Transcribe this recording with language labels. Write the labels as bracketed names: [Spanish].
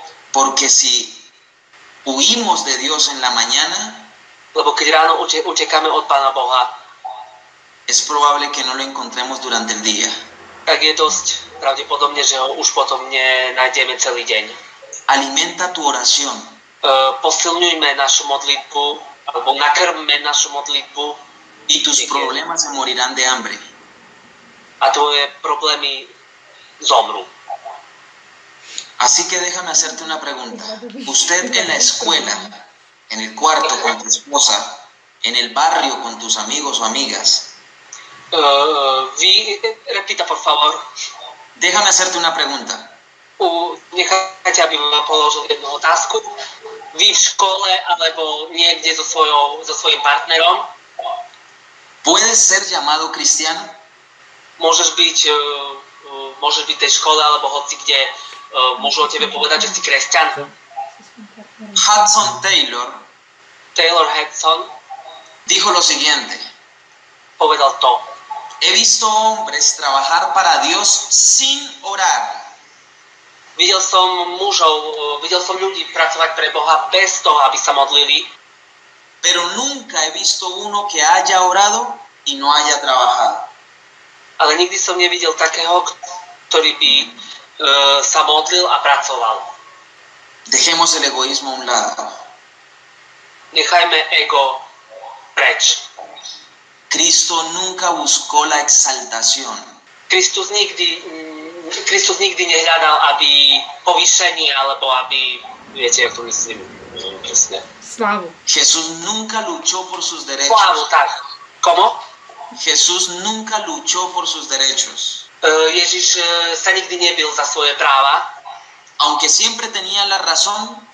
[Spanish] Porque si huimos de Dios en la mañana, [Slovak] lebo keď ráno utekáme od Pána Boha, [Spanish] es probable que no lo encontremos durante el día. [Slovak] Tak je dosť pravdepodobne, že ho už potom nenájdeme celý deň. [Spanish] Alimenta tu oración. [Slovak] Posilňujme našu modlitbu, alebo nakrmme našu modlitbu. [Spanish] Y tus problemas se morirán de hambre. [Slovak] A tvoje problémy zomru. [Spanish] Así que déjame hacerte una pregunta. Usted en la escuela, en el cuarto con tu esposa, en el barrio con tus amigos o amigas. [Slovak] Vy, [Spanish] repita, por favor. Déjame hacerte una pregunta. [Slovak] Nechajte, aby ma položil jednu otázku. Vy v škole alebo niekde so svojím partnerom? [Spanish] Puedes ser llamado cristiano? [Slovak] Môžeš byť v tej škole alebo hoci kde môžu o tebe povedať, že si kresťan? [Spanish] Hudson Taylor. [Slovak] Taylor Hudson. [Spanish] Dijo lo siguiente. [Slovak] Povedal to. [Spanish] He visto hombres trabajar para Dios sin orar. [Slovak] Videl som mužov, videl som ľudí pracovať pre Boha bez toho, aby sa modlili. [Spanish] Pero nunca he visto uno que haya orado y no haya trabajado. [Slovak] Ale nikdy som nevidel takého, ktorý by sa modlil a pracoval. [Spanish] Dejemos el egoísmo a un lado. [Slovak] Nechajme ego preč. [Spanish] Cristo nunca buscó la exaltación. [Slovak] Kristus nikdy nehľadal, aby povýšenie, alebo aby, viete, ako myslím, presne. Slavu. [Spanish] Jesús nunca luchó por sus derechos. [Slovak] Slavu, tak. [Spanish] Komo? Jesús nunca luchó por sus derechos. [Slovak] Ježiš sa nikdy nebil za svoje práva. [Spanish] Aunque siempre tenía la razón.